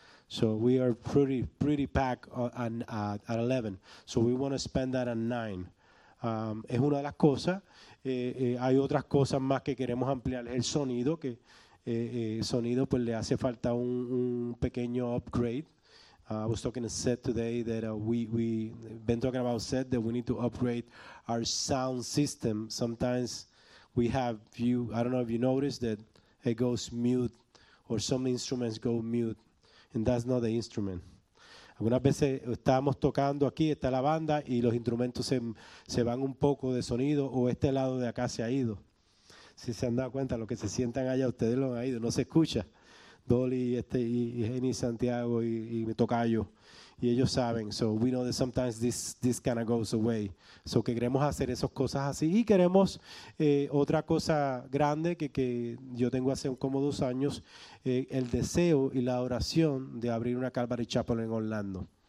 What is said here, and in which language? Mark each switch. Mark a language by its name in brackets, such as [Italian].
[English] So we are pretty packed at 11. So we want to spend that at 9. [Spanish] Es una de las cosas. Hay otras cosas más que queremos ampliar. El sonido, que el sonido pues le hace falta un pequeño upgrade. [English] I was talking to Seth today that we've been talking about Seth, that we need to upgrade our sound system. Sometimes we have few, I don't know if you noticed that it goes mute or some instruments go mute, and that's not the instrument. [Spanish] Algunas veces estamos tocando aquí, está la banda, y los instrumentos se van un poco de sonido, o este lado de acá se ha ido. Si se han dado cuenta, los que se sientan allá, ustedes lo han ido, no se escucha. Dolly, y Jenny, Santiago y mi tocayo. y ellos saben. [English] So we know that sometimes this kind of goes away. [Spanish] So que queremos hacer esas cosas así. Y queremos otra cosa grande que yo tengo hace como 2 años, el deseo y la oración de abrir una Calvary Chapel en Orlando.